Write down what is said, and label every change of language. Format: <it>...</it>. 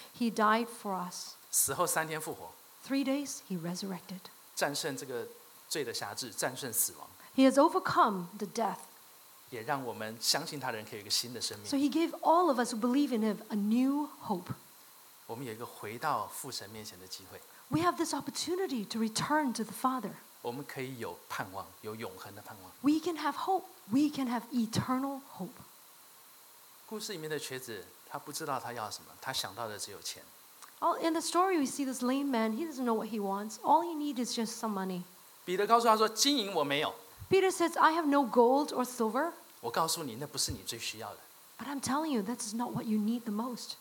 <en>He died for us.</en> <zh>死后三天复活。</zh> <en>Three days he resurrected.</en> <zh>战胜这个罪的辖制，战胜死亡。</zh> <en>He has overcome the death.</en> <zh>也让我们相信他人可以有一个新的生命。</zh> <en>So he gave all of us who believe in him a new hope.</en> <zh>我们有一个回到父神面前的机会。</zh> <en>We have this opportunity to return to the Father.</en> <zh>我们可以有盼望，有永恒的盼望。</zh> <en>We can have hope. We can have eternal hope.</en> <zh>故事里面的瘸子，他不知道他要什么，他想到的只有钱。</zh> <en>Oh, in the story, we see this lame man. He doesn't know what he wants. All he needs is just some money.</en> <zh>彼得告诉他说：“金银我没有。”</zh> <en>Peter says, "I have no gold or silver."</en> <zh>我告诉你，那不是你最需要的。</zh> <en>But I'm telling you, that is not what you need the most.</en>